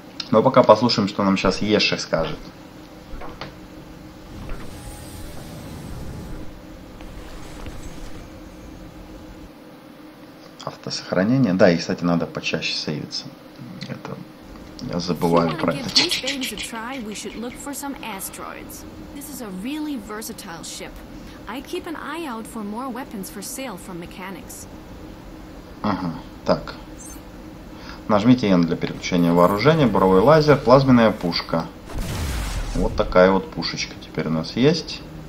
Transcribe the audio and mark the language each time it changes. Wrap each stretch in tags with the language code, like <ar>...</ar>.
<ru>Но пока послушаем, что нам сейчас Еша скажет. Сохранение. Да, и, кстати, надо почаще сейвиться. Это я забываю про это.</ru> <en>Try, we should look for some asteroids. This is a really versatile ship. I keep an eye out for more weapons for sale from mechanics.</en> <ru>Ага, так. Нажмите N для переключения вооружения. Буровой лазер, плазменная пушка. Вот такая вот пушечка теперь у нас есть.</ru>